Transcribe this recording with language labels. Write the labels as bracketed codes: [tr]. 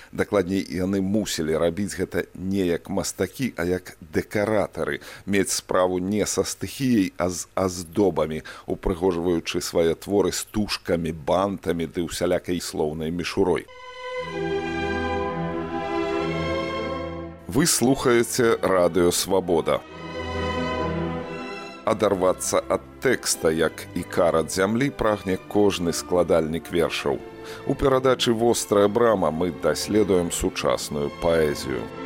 [be] Дакладней, яны мусілі рабіць гэта не як мастакі, а як дэкаратары, мець справу не са стыхіяй, а з аздобамі, упрыгожваючы свае творы стужкамі, бантамі ды ўсялякай слоўнай мішурой. [ru] Вы слушаете «Радио Свобода». [be] Адарвацца ад тэкста, як ікар ад зямлі, прагне кожны складальнік вершаў. У перадачы «Вострая брама» мы даследуем сучасную паэзію.